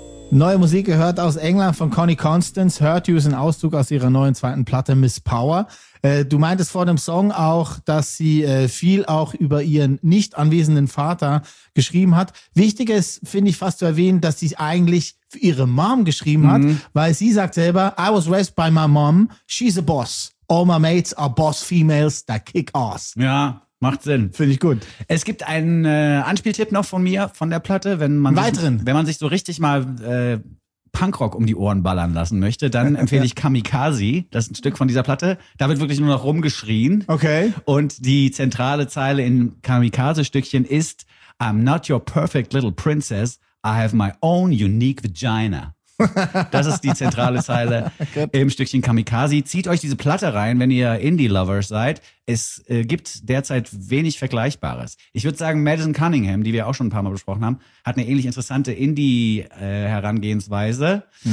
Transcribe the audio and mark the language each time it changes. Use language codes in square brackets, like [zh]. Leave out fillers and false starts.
[de] Neue Musik gehört aus England von Conny Constance. Hurt You ist ein Auszug aus ihrer neuen zweiten Platte Miss Power. Du meintest vor dem Song auch, dass sie viel auch über ihren nicht anwesenden Vater geschrieben hat. Wichtig ist, finde ich, fast zu erwähnen, dass sie es eigentlich für ihre Mom geschrieben hat, weil sie sagt selber, [en] I was raised by my mom, she's a boss. All my mates are boss females that kick ass. [de] Ja. Macht Sinn. Finde ich gut. Es gibt einen Anspieltipp noch von mir, von der Platte. Wenn man sich so richtig mal Punkrock um die Ohren ballern lassen möchte, dann empfehle ich Kamikaze. Das ist ein Stück von dieser Platte. Da wird wirklich nur noch rumgeschrien. Okay. Und die zentrale Zeile in Kamikaze-Stückchen ist, [en] I'm not your perfect little princess. I have my own unique vagina. [de] Das ist die zentrale Zeile im Stückchen Kamikaze. Zieht euch diese Platte rein, wenn ihr Indie-Lovers seid. Es gibt derzeit wenig Vergleichbares. Ich würde sagen, Madison Cunningham, die wir auch schon ein paar Mal besprochen haben, hat eine ähnlich interessante Indie-Herangehensweise.